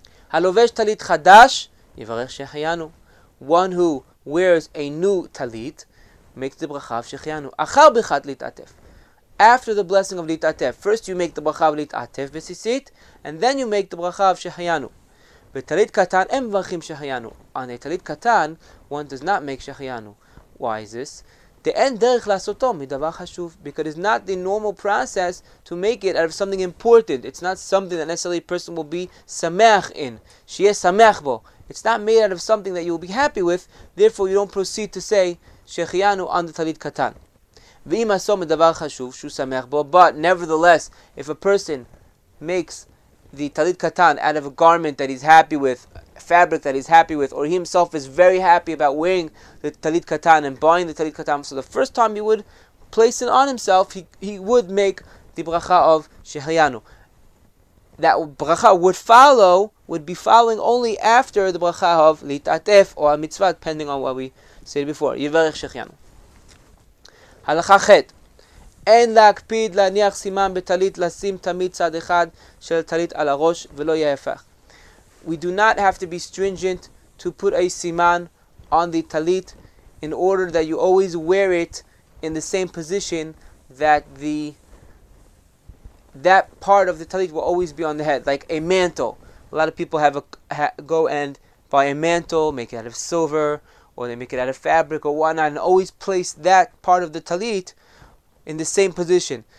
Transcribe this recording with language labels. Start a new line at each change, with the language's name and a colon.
Hebrew: Halovesh talit chadash. יברך שחיינו.
English: One who wears a new talit makes the bracha of שחיינו.
Hebrew: אחר ברכת להתעטף.
English: After the blessing of להתעטף. First you make the bracha of להתעטף בסיסית, and then you make the bracha of שחיינו.
Hebrew: בתלית קטן הם מברכים שחיינו.
English: On a talit קטן, one does not make שחיינו. Why is this?
Hebrew: אין דרך לעשותו מדבר חשוב,
English: because it's not the normal process to make it out of something important. It's not something that necessarily a person will be שמח in.
Hebrew: שיהיה שמח בו.
English: It's not made out of something that you will be happy with, therefore you don't proceed to say שחיינו on the talit katan.
Hebrew: ואם עשו מדבר חשוב שהוא שמח בו,
English: but nevertheless, if a person makes the talit katan out of a garment that he's happy with, a fabric that he's happy with, or he himself is very happy about wearing the talit katan and buying the talit katan, so the first time he would place it on himself, he would make the bracha of שחיינו. That bracha would be following only after the bracha of להתעטף or המצווה, depending on what we said before.
Hebrew: יברך שחיינו. הלכה ח', אין להקפיד להניח סימן בטלית, לשים תמיד צד אחד של טלית על הראש, ולא יהפך.
English: We do not have to be stringent to put a siman on the talit in order that you always wear it in the same position that the that part of the talit will always be on the head, like a mantle. A lot of people have go and buy a mantle, make it out of silver, or they make it out of fabric or whatnot, and always place that part of the talit in the same position.